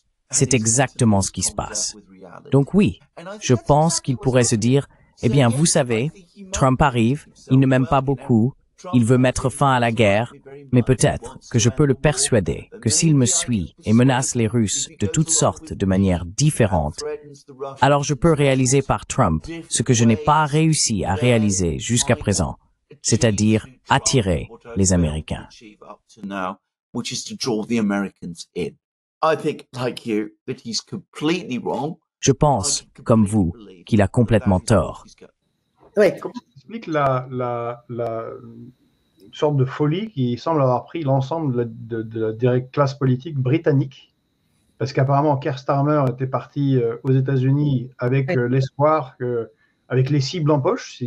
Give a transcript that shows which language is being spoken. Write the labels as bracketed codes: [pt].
[fr] C'est exactement ce qui se passe. Donc oui, je pense qu'il pourrait se dire, « Eh bien, vous savez, Trump arrive, il ne m'aime pas beaucoup, il veut mettre fin à la guerre, mais peut-être que je peux le persuader que s'il me suit et menace les Russes de toutes sortes de manières différentes, alors je peux réaliser par Trump ce que je n'ai pas réussi à réaliser jusqu'à présent, c'est-à-dire attirer les Américains. » [en] Which is to draw the Americans in. I think, like you, that he's completely wrong. [fr] Je pense, comme vous, qu'il a complètement tort. Oui. Comment tu expliques la sorte de folie qui semble avoir pris l'ensemble de la classe politique britannique? Parce qu'apparemment, Keir Starmer était parti aux États-Unis avec l'espoir que, avec les cibles en poche,